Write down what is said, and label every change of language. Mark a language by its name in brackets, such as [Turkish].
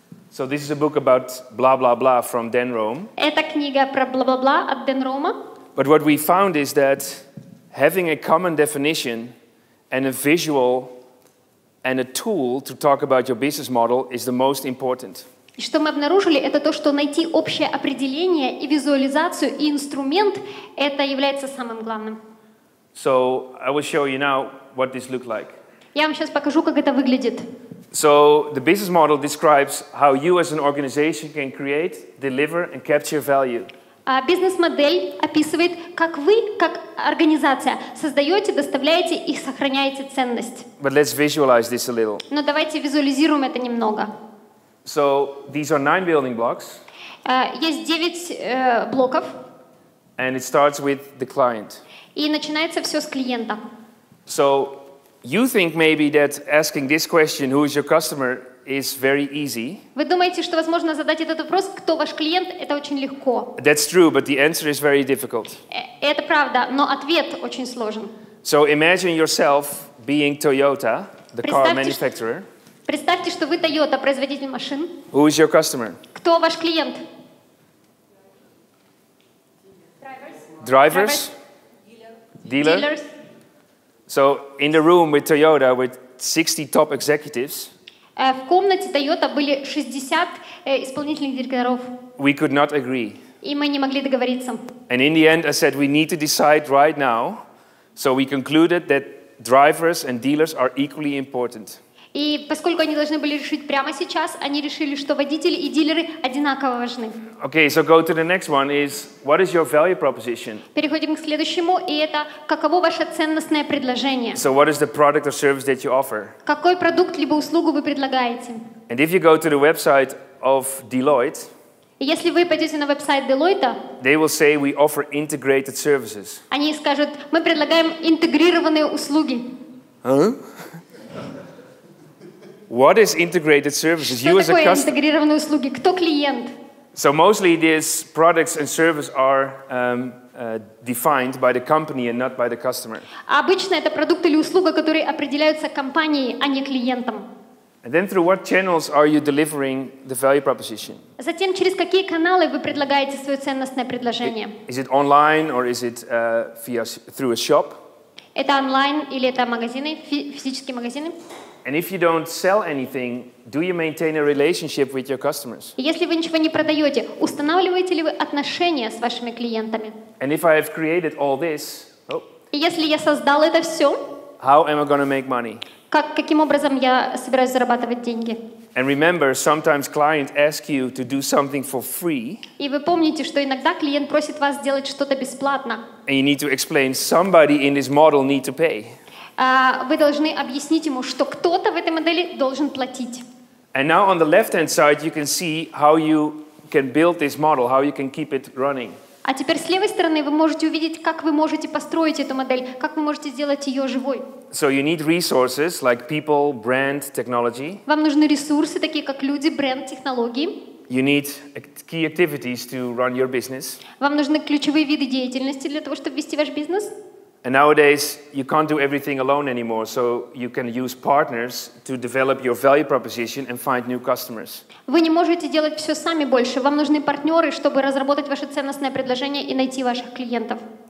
[English] So this is a book about blah blah blah from Dan Rome. [Russian] Это книга про blah blah blah от Дэн Рома. [English] But what we found is that having a common definition and a visual and a tool to talk about your business model is the most important. [Russian] И что мы обнаружили, это то, что найти общее определение и визуализацию и инструмент это является самым главным. [English] So I will show you now what this looks like. [Russian] Я вам сейчас покажу, как это выглядит. [English] So the business model describes how you as an organization can create, deliver and capture value. [Russian] А бизнес-модель описывает, как вы, как организация, создаете, доставляете и сохраняете ценность. [English] But let's visualize this a little. [Russian] Но давайте визуализируем это немного. [English] So these are 9 building blocks. [Russian] Есть 9 блоков. [English] And it starts with the client. [Russian] И начинается все с клиента. [English] So you think maybe that asking this question, who is your customer, is very easy. [Russian] Вы думаете, что возможно задать этот вопрос, кто ваш клиент, это очень легко. [English] That's true, but the answer is very difficult. [Russian] Это правда, но ответ очень сложен. [English] So imagine yourself being Toyota, the car manufacturer. [Russian] Представьте, что вы Toyota, производитель машин. [English] Who is your customer? [Russian] Кто ваш клиент? [English] Drivers? Dealers. Dealers. So in the room with Toyota with 60 top executives. [Russian] В комнате Toyota были 60 исполнительных директоров. [English] We could not agree. [Russian] И мы не могли договориться. [English] And in the end I said we need to decide right now. So we concluded that drivers and dealers are equally important. [Russian] И поскольку они должны были решить прямо сейчас, они решили, что водители и дилеры одинаково важны. [English] Okay, so go to the next one is what is your value proposition? [Russian] Переходим к следующему, и это каково ваше ценностное предложение? [English] So what is the product or service that you offer? [Russian] Какой продукт либо услугу вы предлагаете? [English] And if you go to the website of Deloitte, [Russian] если вы пойдете на веб-сайт Deloitte, [English] they will say we offer integrated services. [Russian] Они скажут, мы предлагаем интегрированные услуги. [English] What is integrated services? Что you такое as a customer? [Russian] Интегрированные услуги? Кто клиент? [English] So mostly these products and services are defined by the company and not by the customer. [Russian] Обычно это продукт или услуга, которые определяются компанией, а не клиентом. [English] And then through what channels are you delivering the value proposition? [Russian] Затем через какие каналы вы предлагаете свое ценностное предложение? [English] Is it online or is it through a shop? [Russian] Это онлайн или это магазины, физические магазины? [English] And if you don't sell anything, do you maintain a relationship with your customers? [Russian] Если вы ничего не продаете, устанавливаете ли вы отношения с вашими клиентами? [English] And if I have created all this, [Russian] если я создал это все, [English] how am I going to make money? [Russian] Каким образом я собираюсь зарабатывать деньги? [English] And remember, sometimes clients ask you to do something for free. [Russian] И вы помните, что иногда клиент просит вас сделать что-то бесплатно. [English] And you need to explain somebody in this model need to pay. [Russian] Вы должны объяснить ему, что кто-то в этой модели должен платить. [English] And now on the left-hand side you can see how you can build this model, how you can keep it running. [Russian] А теперь с левой стороны вы можете увидеть, как вы можете построить эту модель, как вы можете сделать ее живой. [English] So you need resources like people, brand, technology. [Russian] Вам нужны ресурсы, такие как люди, бренд, технологии. [English] You need key activities to run your business. [Russian] Вам нужны ключевые виды деятельности для того, чтобы вести ваш бизнес. [English] And nowadays you can't do everything alone anymore, so you can use partners to develop your value proposition and find new customers. [Russian] Вы не можете делать все сами больше. Вам нужны партнеры, чтобы разработать ваше ценностное предложение и найти ваших клиентов.